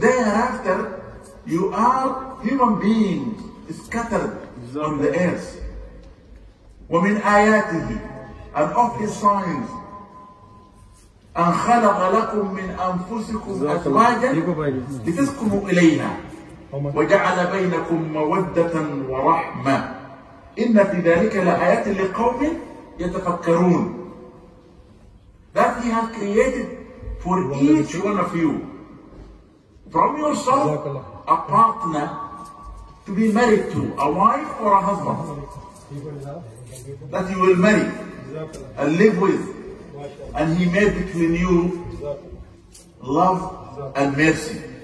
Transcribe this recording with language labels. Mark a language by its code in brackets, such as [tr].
[en] Thereafter, you are human beings scattered on the earth. [ar] ومن آياته [en] and of his signs [ar] أن خلق لكم من أنفسكم أزواجا لتسكنوا إليها وجعل بينكم مودة ورحمة إن في ذلك لآيات لقوم يتفكرون. [en] That he has created for each one of you from yourself a partner to be married to, a wife or a husband that you will marry and live with, and he made between you love and mercy.